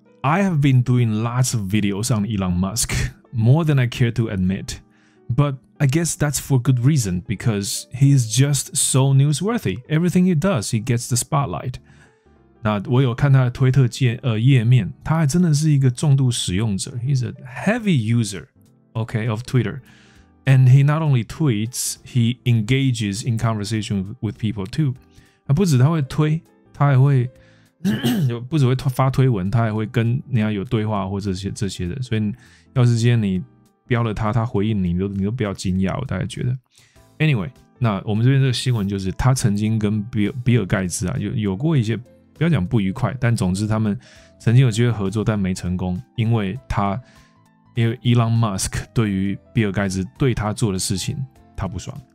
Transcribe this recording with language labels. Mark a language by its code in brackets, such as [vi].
[en] I have been doing lots of videos on Elon Musk, more than I care to admit. But I guess that's for good reason, because he is just so newsworthy. Everything he does, he gets the spotlight. [zh] 那我有看他的推特页面，他还真的是一个重度使用者。 [en] He's a heavy user, okay, of Twitter. And he not only tweets, he engages in conversation with people too. [zh] 不止他会推，他还会不只会发推文，他还会跟人家有对话或这些的。所以要是今天你标了他，他回应你，你都不要惊讶，我大概觉得。 Anyway， 那我们这边这个新闻就是，他曾经跟比尔盖茨啊有过一些，不要讲不愉快，但总之他们曾经有机会合作，但没成功，因为 Elon Musk 对于比尔盖茨对他做的事情他不爽。